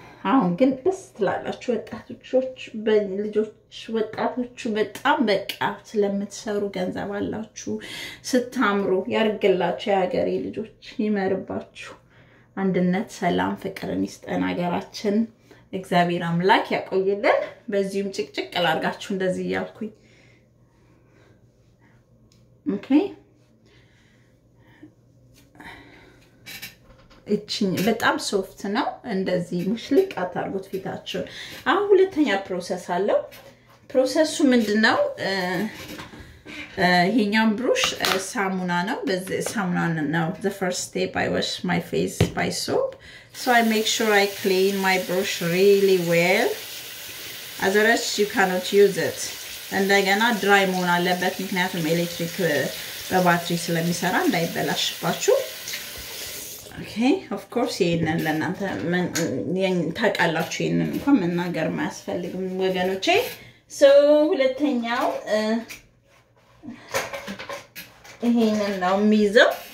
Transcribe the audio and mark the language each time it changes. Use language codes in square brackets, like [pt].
[am] አሁን ግን ደስ ትላላችሁ። ወጣቶች በልጆች ወጣቶች በጣም በቃ ስለምትሰሩ ገንዘብ አላችሁ ስታምሩ ያርግላችሁ ያገሬ ልጆች ይመርባችሁ። አንድነት ሰላም ፍቅርን ይስጠን አገራችን። እግዚአብሔር አምላክ ያቆየልን። በዚህም ጭቅጭቅ ላርጋችሁ እንደዚህ ያልኩኝ ኦኬ። እቺኝ በጣም ሶፍት ነው። እንደዚህ ሙሽልቅ አታርጉት ፊታችሁ። አሁን ሁለተኛ ፕሮሰስ አለው። ፕሮሰሱ ምንድነው? ይሄኛው ብሩሽ ሳሙና ነው። በዚህ ሳሙና ነው [en] the first step I wash my face by soap. So I make sure I clean my brush really well. Otherwise you cannot use it. [am] እንደገና ድራይ መሆን አለበት ምክንያቱም ኤሌክትሪክ በባትሪ ስለሚሰራ እንዳይበላሽባችሁ። [en] Okay, of course [am] ይሄንን ለእናንተ ታውቃላችሁ ይሄንን እንኳን መናገር ማያስፈልግም ወገኖቼ። [en] So [am] ሁለተኛው ይሄንን ነው የሚይዘው።